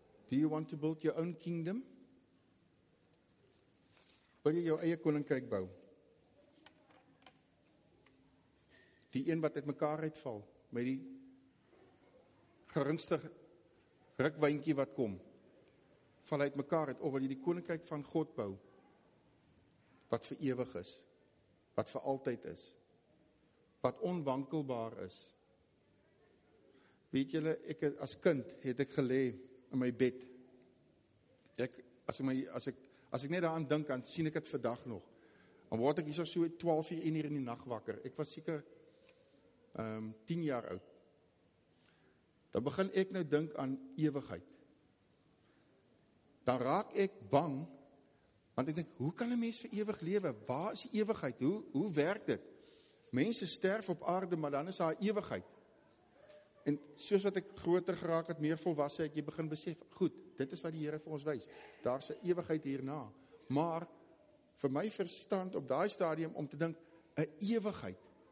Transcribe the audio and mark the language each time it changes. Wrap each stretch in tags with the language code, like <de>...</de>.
<en>Do you want to build your own kingdom?</en> <af>Wil jy jou eie koninkryk bou? Die een wat uit mekaar uitval, met die geringste rukwyntjie wat kom, val uit mekaar uit, of wil jy die koninkryk van God bou, wat vir ewig is, wat vir altyd is, wat onwankelbaar is. Weet julle, ek as kind het ek gelê in my bed. As ek net daaraan dink, dan sien ek het vandag nog. Dan word ek hier so 12 uur, 1 uur in die nacht wakker. Ek was seker 10 jaar oud. Dan begin ek nou dink aan ewigheid. Dan raak ek bang, want ek dink, hoe kan een mens vir ewig lewe? Waar is die ewigheid? Hoe werk dit? Mense sterf op aarde, maar dan is daar ewigheid. En soos wat ek groter geraak het, meer volwassen het, jy begin besef, goed, dit is wat die Here vir ons wys. Daar is een ewigheid hierna. Maar, vir my verstand op daai stadium, om te dink, een ewigheid.</af>